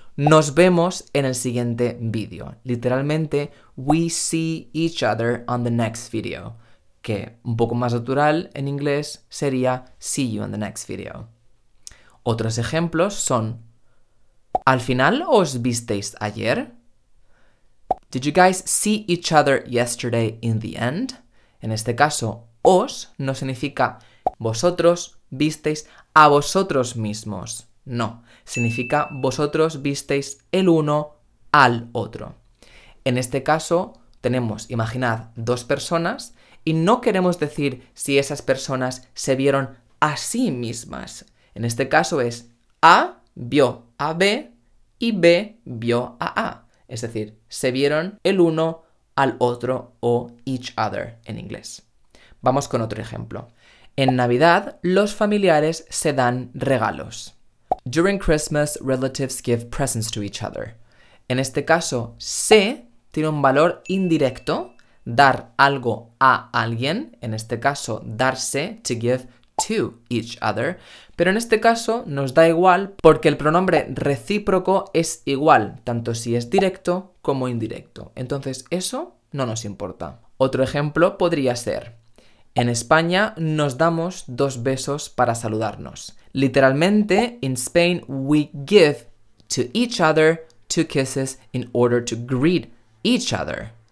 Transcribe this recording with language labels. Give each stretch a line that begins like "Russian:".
Spanish: Nos vemos en el siguiente vídeo. Literalmente,
English: we see each other on the next video.
Spanish: Que un poco más natural en inglés sería
English: see you in the next video.
Spanish: Otros ejemplos son: ¿al final os visteis ayer?
English: Did you guys see each other yesterday in the end?
Spanish: En este caso, os no significa vosotros visteis a vosotros mismos. No, significa vosotros visteis el uno al otro. En este caso, tenemos, imaginad, dos personas y no queremos decir si esas personas se vieron a sí mismas. En este caso es A vio a B y B vio a A. Es decir, se vieron el uno al otro o each other en inglés. Vamos con otro ejemplo. En Navidad, los familiares se dan regalos.
English: During Christmas, relatives give presents to each other.
Spanish: En este caso, se tiene un valor indirecto, dar algo a alguien, en este caso, darse,
English: to give to each other,
Spanish: pero en este caso nos da igual porque el pronombre recíproco es igual, tanto si es directo como indirecto. Entonces, eso no nos importa. Otro ejemplo podría ser: en España nos damos dos besos para saludarnos.
English: Literalmente, in Spain we give to each other two kisses in order to greet each other.